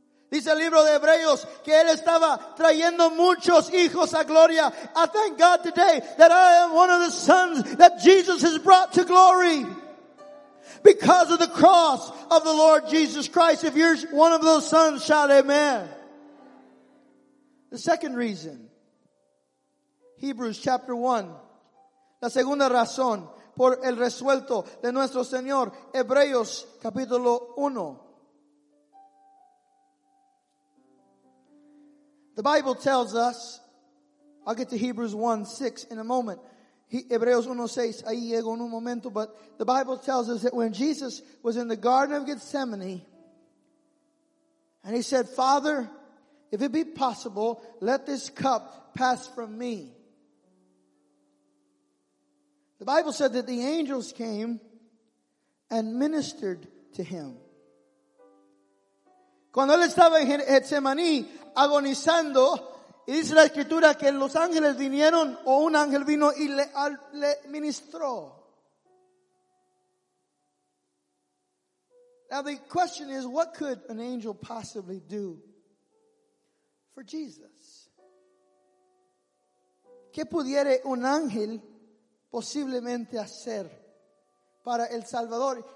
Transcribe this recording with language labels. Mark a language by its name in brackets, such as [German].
[Spanish] Dice el libro de Hebreos que él estaba trayendo muchos hijos a gloria. [English] I thank God today that I am one of the sons that Jesus has brought to glory. Because of the cross of the Lord Jesus Christ. If you're one of those sons, shout amen. The second reason, Hebrews chapter 1, [Spanish] la segunda razón por el resuelto de nuestro Señor, Hebreos capítulo 1. [English] The Bible tells us, I'll get to Hebrews 1, 6 in a moment. [Spanish] Hebreos 1, 6, ahí llego en un momento, [English] but the Bible tells us that when Jesus was in the Garden of Gethsemane, and he said, Father, if it be possible, let this cup pass from me. The Bible said that the angels came and ministered to him. [Spanish] Cuando él estaba en Getsemaní agonizando, y dice la escritura que los ángeles vinieron, o un ángel vino y le ministró. [English] Now the question is, what could an angel possibly do for Jesus? [Spanish] ¿Qué pudiera un ángel posiblemente hacer para el Salvador?